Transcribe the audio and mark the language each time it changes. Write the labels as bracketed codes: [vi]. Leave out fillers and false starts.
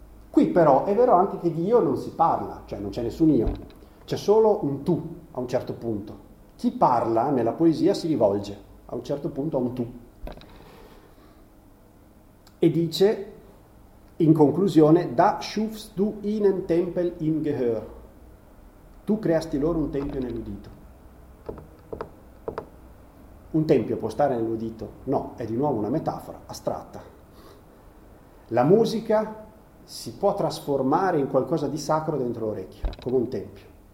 [it] Qui però è vero anche che di io non si parla, cioè non c'è nessun io, c'è solo un tu a un certo punto. Chi parla nella poesia si rivolge a un certo punto a un tu e dice In conclusione, [de] da schufst du ihnen Tempel im Gehör. [it] Tu creasti loro un tempio nell'udito. Un tempio può stare nell'udito? No, è di nuovo una metafora astratta. La musica si può trasformare in qualcosa di sacro dentro l'orecchio, come un tempio.